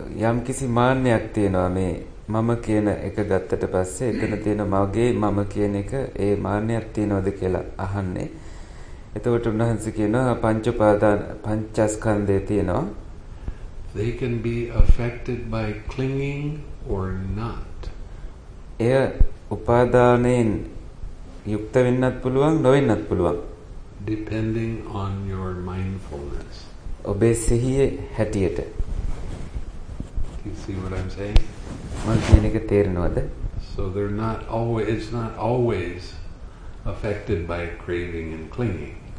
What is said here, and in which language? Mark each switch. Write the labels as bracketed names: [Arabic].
[Sinhala] යම් කිසි මාන්නයක් තියෙනවා මේ මම කියන එක ගත්තට පස්සේ එතන තියෙන මගේ මම කියන එක ඒ මාන්නයක් තියෙනවද කියලා අහන්නේ. එතකොට උන්වහන්සේ කියනවා පංචපාදා පංචස්කන්ධය තියෙනවා. [English] They can be affected by clinging or not. [Sinhala] එය උපාදානෙන් යුක්ත වෙන්නත් පුළුවන් නොවෙන්නත් පුළුවන්. [English] Depending on your mindfulness. [Sinhala] ඔබේ සිහියේ හැටියට. [English] Do you see what I'm saying? [Sinhala] මම කියන එක තේරෙනවද? [English] So they're not always it's not always affected by craving and clinging.